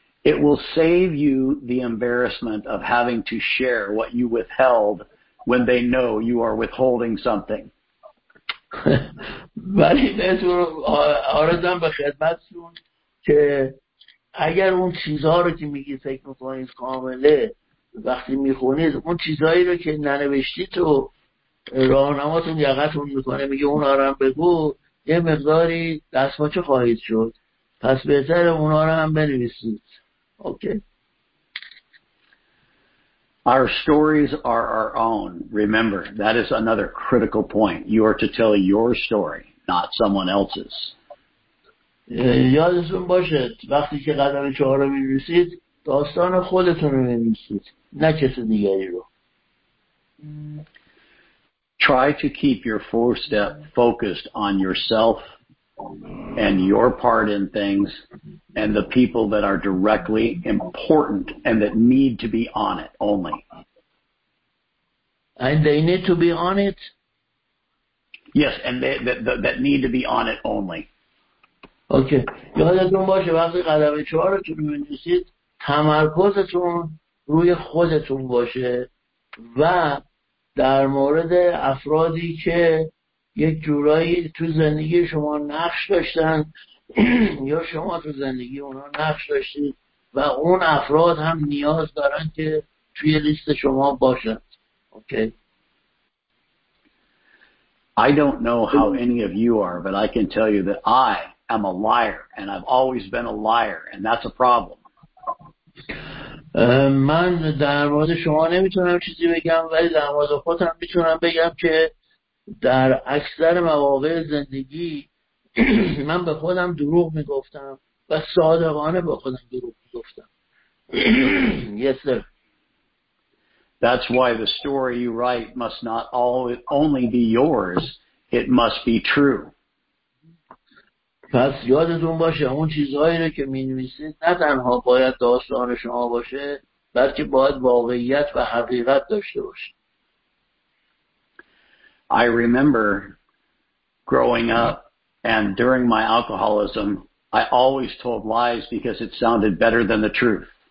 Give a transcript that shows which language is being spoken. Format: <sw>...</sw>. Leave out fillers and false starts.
<en>It will save you the embarrassment of having to share what you withheld when they know you are withholding something.</en> <fa>ولی بهتون آرزم به خدمتتون که اگر اون چیزها رو که میگید فکر میکنید کامله، وقتی میخونید اون چیزهایی رو که ننوشتید و راهنماتون یقتون میکنه میگه اون آرام بگو، یه مقداری دستمچه خواهید شد، پس بهتره اونا رو هم بنویسید.</fa> <en>Okay. Our stories are our own. Remember, that is another critical point. You are to tell your story, not someone else's.</en> <fa>یادتون باشه وقتی که قدم چهار رو می‌نویسید، داستان خودتون رو می‌نویسید، نه کسی دیگری رو.</fa> <en>Try to keep your four step focused on yourself and your part in things and the people that are directly important and that need to be on it only. And they need to be on it? Yes, and they that need to be on it only. Okay.</en> <fa>یادتون باشه وقتی قدم چهار رو که می‌نویسید تمرکزتون روی خودتون باشه و در مورد افرادی که یک جورایی تو زندگی شما نقش داشتن یا شما تو زندگی اونا نقش داشتید و اون افراد هم نیاز دارن که توی لیست شما باشن.</fa> <en>Okay. I don't know how any of you are, but I can tell you that I am a liar and I've always been a liar and that's a problem.</en> <fa>من در مورد شما نمیتونم چیزی بگم ولی در مورد خودم میتونم بگم که در اکثر مواقع زندگی من به خودم دروغ میگفتم و صادقانه به خودم دروغ میگفتم.</fa> <en>Yes sir. That's why the story you write must not only be yours, it must be true.</en> <fa>پس یادتون باشه اون چیزهایی رو که مینویسید نه تنها باید داستان شما باشه بلکه باید واقعیت و حقیقت داشته باشه.</fa> <en>I remember growing up and during my alcoholism, I always told lies because it sounded better than the truth.</en>